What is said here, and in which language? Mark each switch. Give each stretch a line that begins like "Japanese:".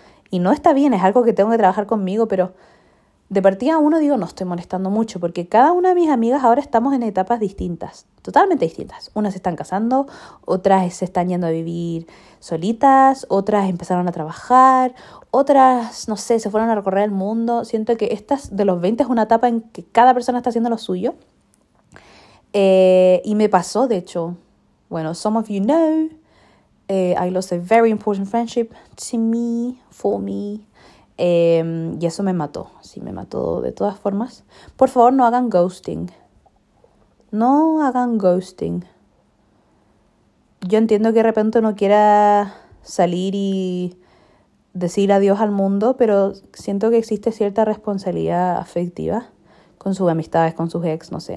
Spanish: Y no está bien, es algo que tengo que trabajar conmigo, pero de partida uno digo, no estoy molestando mucho, porque cada una de mis amigas ahora estamos en etapas distintas, totalmente distintas. Unas se están casando, otras se están yendo a vivir solitas, otras empezaron a trabajar, otras, no sé, se fueron a recorrer el mundo. Siento que estas de los 20 es una etapa en que cada persona está haciendo lo suyo. Y me pasó, de hecho, bueno,
English: some of you know, I lost a very important friendship to me, for me.
Spanish: Y eso me mató, sí, me mató de todas formas. Por favor, no hagan ghosting. No hagan ghosting. Yo entiendo que de repente uno quiera salir y decir adiós al mundo, pero siento que existe cierta responsabilidad afectiva con sus amistades, con sus ex, no sé.